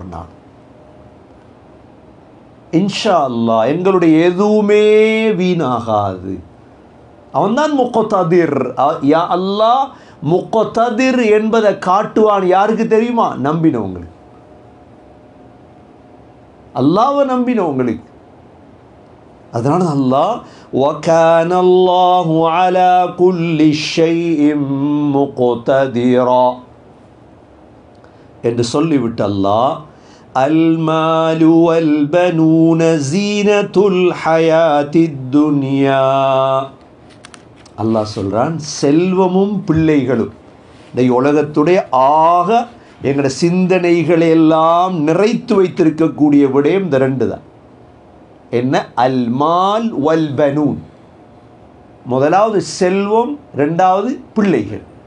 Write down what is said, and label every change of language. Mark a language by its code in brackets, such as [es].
[ta] ஒரு நாள் இன்ஷா அல்லா எங்களுடைய எதுவுமே வீணாகாது. அவன் தான் முக்கொத்ததிர். யா அல்லா முக்கொத்ததிர் என்பதை காட்டுவான் யாருக்கு தெரியுமா? நம்பினவங்களுக்கு, அல்லாவை நம்பினவங்களுக்கு. அதனால அல்லா [ar] وكان الله على كل شيء مقتدرا [ta] என்று சொல்லிவிட்டு அல்லா [ar] المال والبنون زينة الحياة الدنيا. [ta] அல்லா சொல்கிறான் செல்வமும் பிள்ளைகளும் இந்த உலகத்துடைய ஆக எங்கள் சிந்தனைகளை எல்லாம் நிறைத்து வைத்திருக்கக்கூடிய விடயம் இந்த ரெண்டு தான். என்ன? [ar] அல்மால் வல் பனூன். [ta] முதலாவது செல்வம், ரெண்டாவது பிள்ளைகள்.